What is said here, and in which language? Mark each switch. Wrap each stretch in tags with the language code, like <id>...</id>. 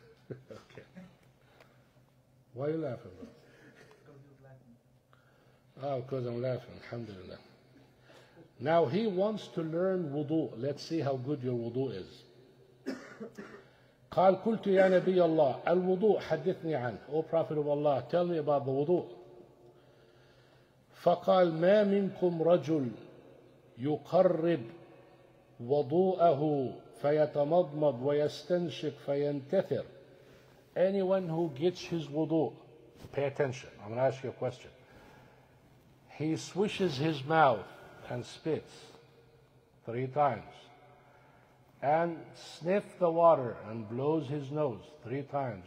<en>Okay. Why are you laughing, bro? Oh, because I'm laughing. Alhamdulillah. Now, he wants to learn wudu. Let's see how good your wudu is.</en> <ar>قال قلت يا نبي الله الوضوء حدثني عنه.</ar> <en>O Prophet of Allah, tell me about the wudu.</en> <ar>فقال ما منكم رجل يقرب وضوءه فيتمضمض ويستنشق فينتثر.</ar> <en>Anyone who gets his wudu, pay attention, I'm going to ask you a question. He swishes his mouth and spits three times, and sniffs the water and blows his nose three times.</en>